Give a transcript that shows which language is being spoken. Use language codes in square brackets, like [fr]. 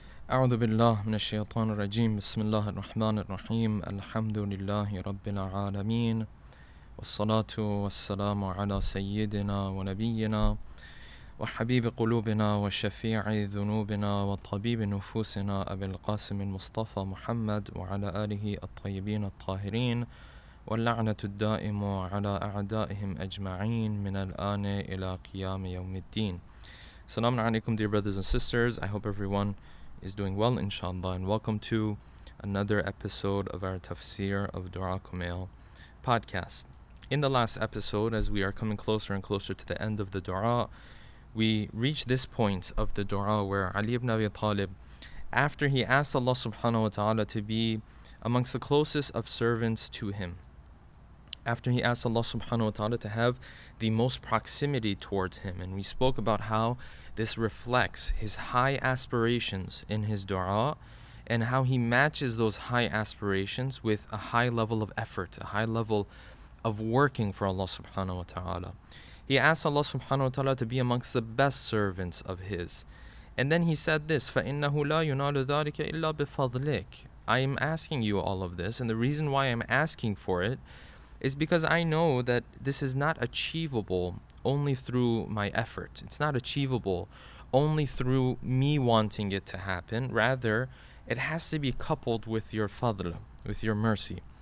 [ar] أعوذ بالله من الشيطان الرجيم بسم الله الرحمن الرحيم الحمد لله رب العالمين والصلاة والسلام على سيدنا ونبينا وحبيب قلوبنا وشفيع ذنوبنا وطبيب نفوسنا أبي القاسم المصطفى محمد وعلى آله الطيبين الطاهرين واللعنة الدائمة على أعدائهم أجمعين من الآن إلى قيام يوم الدين. السلام عليكم [en] dear brothers and sisters. I hope everyone is doing well inshallah, and welcome to another episode of our Tafsir of Dua Kumail podcast. In the last episode, as we are coming closer and closer to the end of the Dua, we reach this point of the Dua where Ali ibn Abi Talib, after he asked Allah subhanahu wa ta'ala to be amongst the closest of servants to him, after he asked Allah subhanahu wa ta'ala to have the most proximity towards him, and we spoke about how this reflects his high aspirations in his dua and how he matches those high aspirations with a high level of effort, a high level of working for Allah subhanahu wa ta'ala. He asked Allah subhanahu wa ta'ala to be amongst the best servants of his. And then he said this, [ar] فَإِنَّهُ لَا يُنَالُ ذَلِكَ إِلَّا بِفَضْلِكَ. [en] I am asking you all of this, and the reason why I'm asking for it is because I know that this is not achievable only through my effort. It's not achievable only through me wanting it to happen. Rather, it has to be coupled with your fadl, with your mercy.